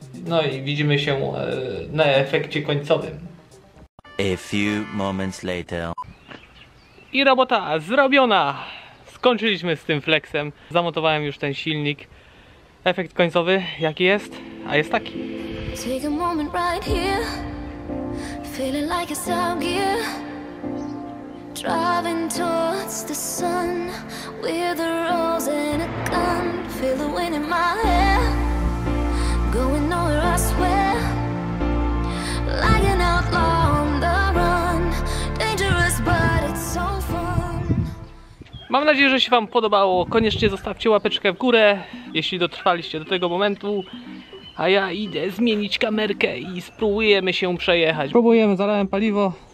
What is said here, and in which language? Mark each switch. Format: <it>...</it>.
<pl>No i widzimy się na efekcie końcowym.</pl> <en>A few moments later.</en> <pl>I robota zrobiona! Skończyliśmy z tym Flexem, zamontowałem już ten silnik. Efekt końcowy jaki jest? A jest taki.</pl> <en>Take a moment right here. Feeling like it's out here. Driving towards the sun with a rose and a gun. Feel the wind in my hair. Going nowhere, I swear. Like an outlaw on the run. Dangerous, but it's so fun.</en> <pl>Mam nadzieję, że się wam podobało. Koniecznie zostawcie łapeczkę w górę, jeśli dotrwaliście do tego momentu. A ja idę zmienić kamerkę i spróbujemy się przejechać. Próbujemy, zalałem paliwo.</pl>